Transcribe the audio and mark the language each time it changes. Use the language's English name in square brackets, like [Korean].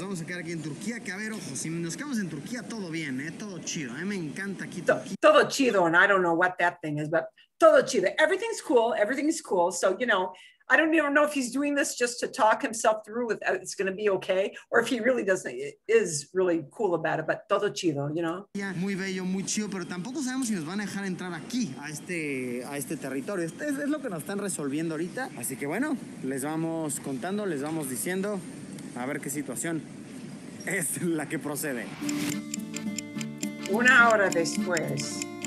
[Spanish] Vamos, si nos vamos a quedar aquí en Turquía, que a ver, ojo, si nos quedamos en Turquía, todo bien, todo chido. A mí me encanta aquí Turquía. Todo chido, [English] and I don't know what that thing is, but [Spanish] todo chido. [English] Everything's cool. So, you know, I don't even know if he's doing this just to talk himself through with it's going to be okay, or if he really doesn't, is really cool about it, but [Spanish] todo chido, [English] you know? [Spanish] Yeah, muy bello, muy chido, pero tampoco sabemos si nos van a dejar entrar aquí, a este territorio. Es lo que nos están resolviendo ahorita. Así que bueno, les vamos contando, les vamos diciendo, a ver qué situación es la que procede. Una hora después.